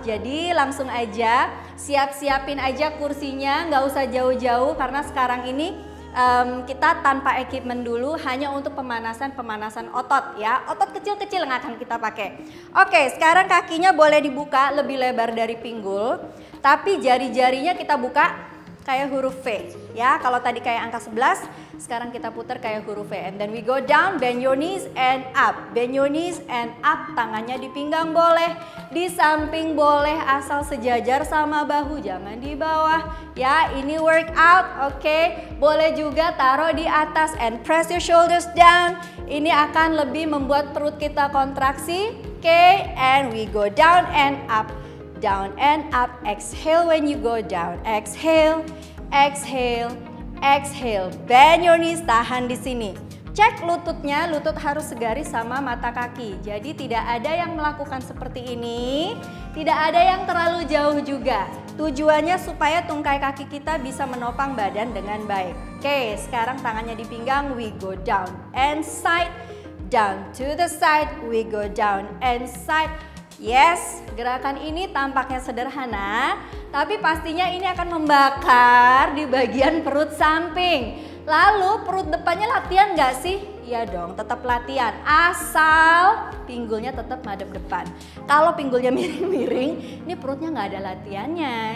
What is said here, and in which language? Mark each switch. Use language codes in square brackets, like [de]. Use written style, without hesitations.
[id] Jadi langsung aja siap-siapin aja kursinya, nggak usah jauh-jauh karena sekarang ini kita tanpa equipment dulu, hanya untuk pemanasan-pemanasan otot ya. Otot kecil-kecil yang akan kita pakai. Oke, sekarang kakinya boleh dibuka lebih lebar dari pinggul, tapi jari-jarinya kita buka kayak huruf V ya. Kalau tadi kayak angka 11, sekarang kita putar kayak huruf V. [en] And then we go down, bend your knees and up. Bend your knees and up, [id] tangannya di pinggang boleh, di samping boleh, asal sejajar sama bahu, jangan di bawah. Ya, ini workout, oke. Boleh juga taruh di atas [en] and press your shoulders down. [id] Ini akan lebih membuat perut kita kontraksi. [en] Oke, and we go down and up. Down and up, exhale when you go down. Exhale, exhale, exhale. Bend your knees, [id] tahan di sini. Cek lututnya, lutut harus segaris sama mata kaki. Jadi tidak ada yang melakukan seperti ini, tidak ada yang terlalu jauh juga. Tujuannya supaya tungkai kaki kita bisa menopang badan dengan baik. Oke, sekarang tangannya di pinggang, [en] we go down and side. Down to the side, we go down and side. [id] Yes, gerakan ini tampaknya sederhana, tapi pastinya ini akan membakar di bagian perut samping. Lalu perut depannya latihan nggak sih? Iya dong, tetap latihan. Asal pinggulnya tetap madep depan. Kalau pinggulnya miring-miring, ini perutnya nggak ada latihannya.